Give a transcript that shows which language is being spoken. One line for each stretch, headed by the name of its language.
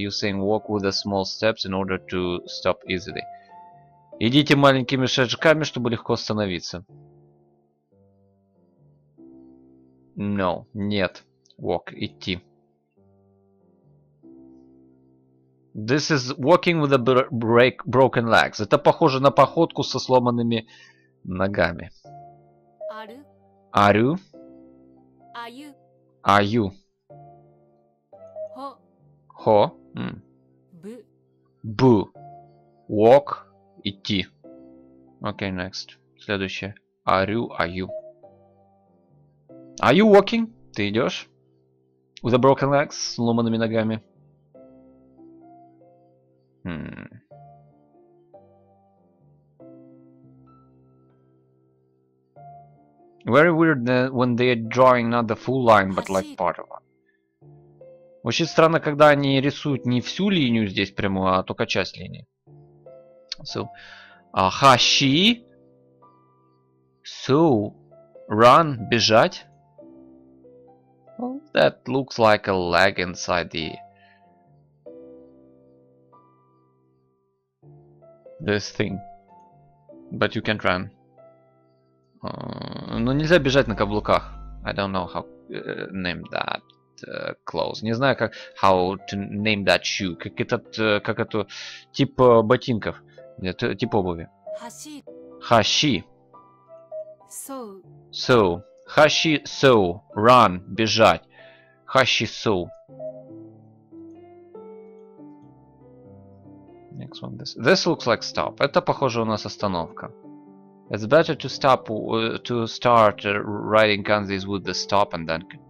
English: You're saying walk with the small steps in order to stop easily.
Russian: Идите маленькими шажками, чтобы легко остановиться.
English: No,
Russian: нет.
English: Walk,
Russian: идти.
English: This is walking with a broken legs.
Russian: Это похоже на походку со сломанными ногами.
Japanese: Ару. Ару. Аю. Аю. Хо. Хо. Бу. Бу.
English: Walk.
Russian: Идти.
English: Okay, next.
Russian: Следующее.
Japanese: Ару, аю.
English: Are you walking?
Russian: Ты идешь?
English: With a broken legs,
Russian: сломанными ногами.
English: Very weird when they are drawing not the full line, but like part of it.
Russian: Очень странно, когда они рисуют не всю линию здесь прямую, а только часть линии.
English: So, хаши. So, run,
Russian: бежать.
English: Well, that looks like a leg inside the... this thing. But you can't run.
Russian: Но нельзя бежать на каблуках.
English: I don't know how name that clothes.
Russian: Не знаю, как
English: how to name that shoe.
Russian: Как этот, как это тип ботинков. Нет, тип обуви.
Japanese: Хаши. Хаши.
English: So. So. Хаши so. Run.
Russian: Бежать.
English: Хаши so. Next one. This looks like stop.
Russian: Это похоже у нас остановка.
English: It's better to stop to start writing kanji with the stop and then.